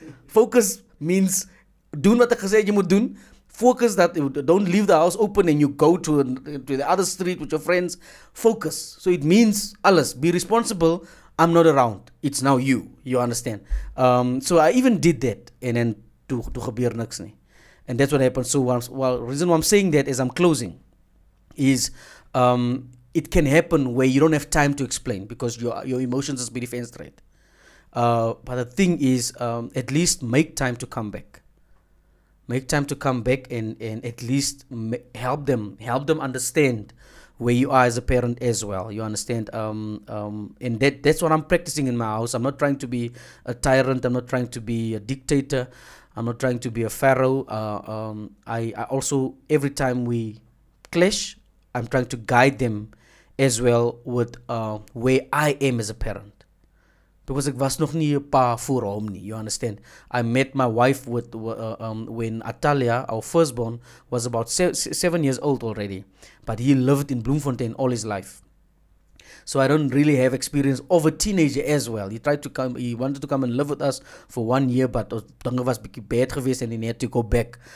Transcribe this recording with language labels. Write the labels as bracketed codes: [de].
[en] Focus means [af] doen wat ek gesê jy moet doen. [en] Focus that don't leave the house open and you go to the other street with your friends. Focus. So it means alles. Be responsible. I'm not around. It's now you. You understand? So I even did that. And then to [af] gebeur niks nie. [en] And that's what happened. So reason why I'm saying that as I'm closing is it can happen where you don't have time to explain because your emotions are pretty fenced right. But the thing is, at least make time to come back. Make time to come back and at least help them understand where you are as a parent as well. You understand? And that's what I'm practicing in my house. I'm not trying to be a tyrant. I'm not trying to be a dictator. I'm not trying to be a pharaoh. I also, every time we clash, I'm trying to guide them as well with where I am as a parent. Because I was [af] nog nie pa voor hom nie, you understand? [en] I met my wife when Atalia, our firstborn, was about 7 years old already. But he lived in Bloemfontein all his life. So I don't really have experience of a teenager as well. He tried to come, he wanted to come and live with us for 1 year, but [af] dinge was bietjie bad geweest [en] and he had to go back.